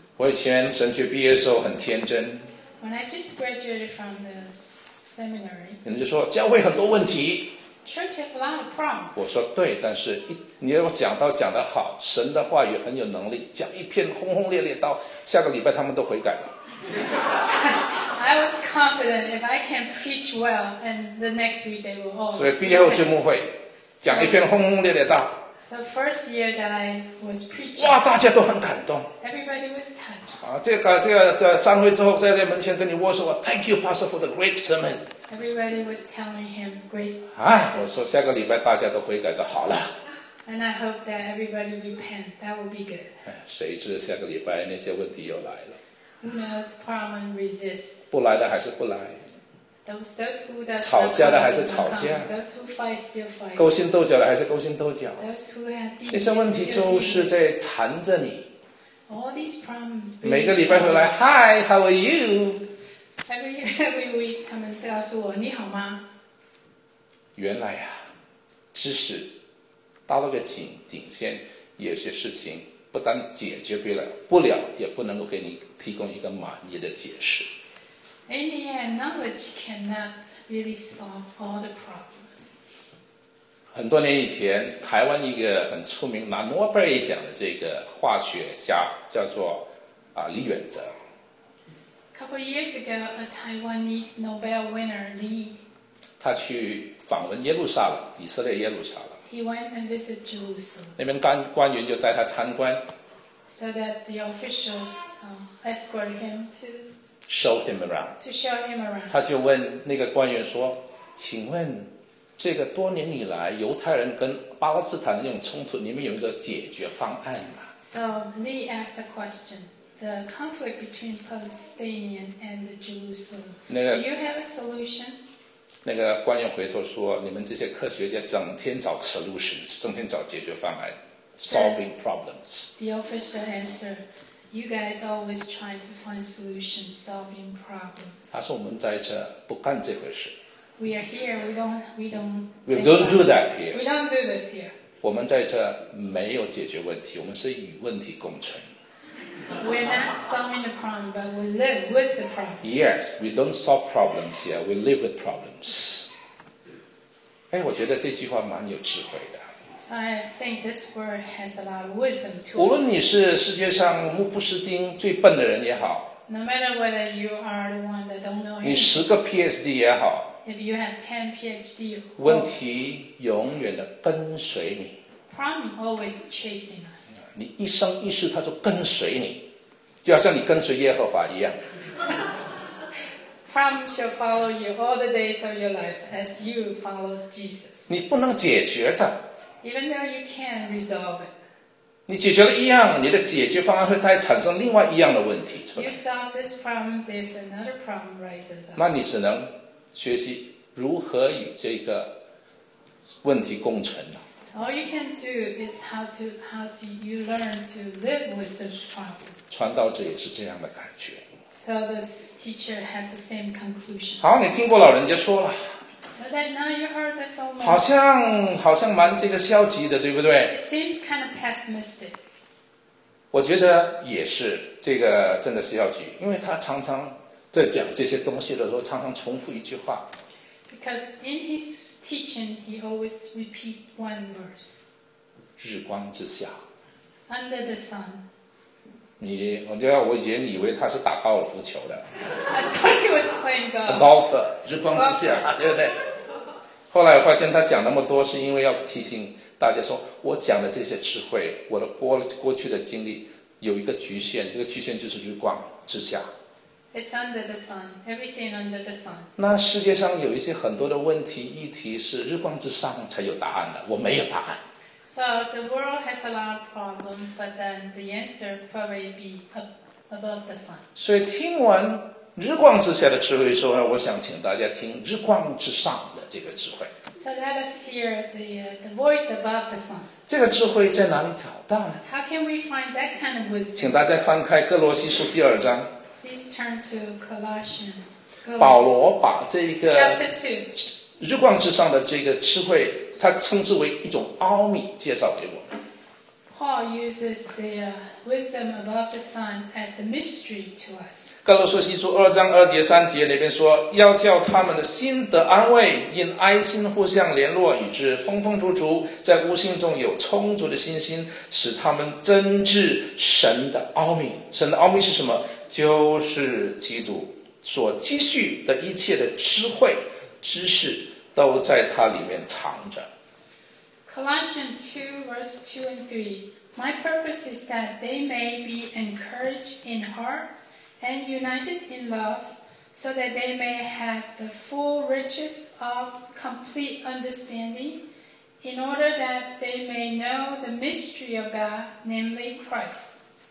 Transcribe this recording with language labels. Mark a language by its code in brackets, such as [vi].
[zh] 我以前神学毕业的时候很天真。 [en] When I just graduated from the seminary. [zh] 人家就说教会很多问题。 [en] Church has a lot of problems. [zh] 我说对，但是你要讲到讲得好，神的话语很有能力，讲一篇轰轰烈烈，到下个礼拜他们都悔改了。 [en] I was confident if I can preach well, and the next week they will all. [zh] 所以毕业后去牧会，讲一篇轰轰烈烈到。 [en] So first year that I was preaching. [zh] 哇，大家都很感动。 [en] Everybody was touched. [zh] 啊，这个散会之后，在门前跟你握手 ， [en] Thank you, Pastor, for the great sermon. Everybody was telling him great. [zh] 啊，我说下个礼拜大家都悔改的好了。 [en] And I hope that everybody repent. That would be good. [zh] 谁知下个礼拜那些问题又来了。 [en] Who knows? Problem resists. [zh] 不来的还是不来。 [en] Those who does. [zh] 吵架的还是吵架。 [en] Those who fight still fight. [zh] 勾心斗角的还是勾心斗角。 [en] Those who have. [zh] 这些问题就是在缠着你。 [en] All these problems. [zh] 每个礼拜回来 ， [en] Hi, how are you? Every week, [zh] 他们告诉我你好吗？原来呀、啊，知识到了个顶线，有些事情。不但解决不了，也不能够给你提供一个满意的解释。 [en] In the end, knowledge cannot really solve all the problems. [zh] 很多年以前，台湾一个很出名拿诺贝尔奖的这个化学家叫做李远哲。 [en] Couple years ago, a Taiwanese Nobel winner Li. [zh] 他去访问耶路撒冷，以色列耶路撒冷。 [en] He went and visited Jerusalem. [zh] 那边官员就带他参观。 [en] So that the officials escorted him to show him around. To show him around. [zh] 他就问那个官员说：“请问，这个多年以来犹太人跟巴勒斯坦的这种冲突，你们有一个解决方案吗 [en] ？”So Lee asked a question: the conflict between Palestinian and the Jerusalem. Do you have a solution? [zh] 那个官员回头说：“你们这些科学家整天找 solutions， 整天找解决方案 ， [en] solving problems。” The official answer: You guys always trying to find solutions, solving problems. [zh] 他说：“我们在这不干这回事。” [en] We are here. We don't. We don't do that here. We don't do this here. [zh] 我们在这没有解决问题，我们是与问题共存。 [en] We're not solving the problem, but we live with the problem. Yes, we don't solve problems here. We live with problems. [zh] 哎，我觉得这句话蛮有智慧的。 [en] So I think this word has a lot of wisdom to it. [zh] 无论你是世界上目不识丁最笨的人也好 [en] ，No matter whether you are the one that don't know anything, [zh] 你十个 PhD 也好 [en] ，If you have 10 PhD, [zh] 问题永远的跟随你。 [en] Problem always chasing us. [zh] 你一生一世，他就跟随你，就好像你跟随耶和华一样。 [en] Problem shall follow you all the days of your life as you follow Jesus. [zh] 你不能解决的。 [en] Even though you can resolve it. [zh] 你解决了一样，你的解决方案会再产生另外一样的问题出来。 [en] You solve this problem, there's another problem rises up. [zh] 那你只能学习如何与这个问题共存了。 [en] All you can do is how do you learn to live with this problem. [zh] 传道者也是这样的感觉。 [en] So the teacher had the same conclusion. [zh] 好，你听过老人家说了。 [en] So that now you heard this old man. [zh] 好像蛮这个消极的，对不对 [en] ？It seems kind of pessimistic. [zh] 我觉得也是，这个真的是消极，因为他常常在讲这些东西的时候，常常重复一句话。 [en] Because in his teaching, he always repeat one verse. [zh] 日光之下 [en] Under the sun. [zh] 我以前以为他是打高尔夫球的。 [en] I thought he was playing golf. A golfer, [zh] 日光之下，对不对？后来我发现他讲那么多，是因为要提醒大家说，我讲的这些智慧，我的过去的经历，有一个局限，这个局限就是日光之下。 [en] It's under the sun. Everything under the sun. [zh] 那世界上有一些很多的问题议题是日光之上才有答案的，我没有答案。 [en] So the world has a lot of problems, but then the answer probably be above the sun. [zh] 所以听完日光之下的智慧说，我想请大家听日光之上的这个智慧。 [en] So let us hear the voice above the sun. [zh] 这个智慧在哪里找到呢？ [en] How can we find that kind of wisdom? [zh] 请大家翻开哥罗西书第二章。 [en] Please turn to Colossians. [zh] 保罗把这个 [en] Chapter 2. [zh] 日光之上的这个智慧，他称之为一种奥秘，介绍给我。 [en] Paul uses the wisdom above the sun as a mystery to us. [zh] 哥罗西书二章二节三节里面说，要叫他们的心得安慰，因爱心互相联络，以致丰丰足足，在无形中有充足的信心，使他们真知神的奥秘。神的奥秘是什么？就是基督所积蓄的一切的智慧、知识，都在它里面藏着。 [en] Colossians 2 verse 2 and 3. My purpose is that they may be encouraged in heart and united in love, so that they may have the full riches of complete understanding, in order that they may know the mystery of God, namely Christ.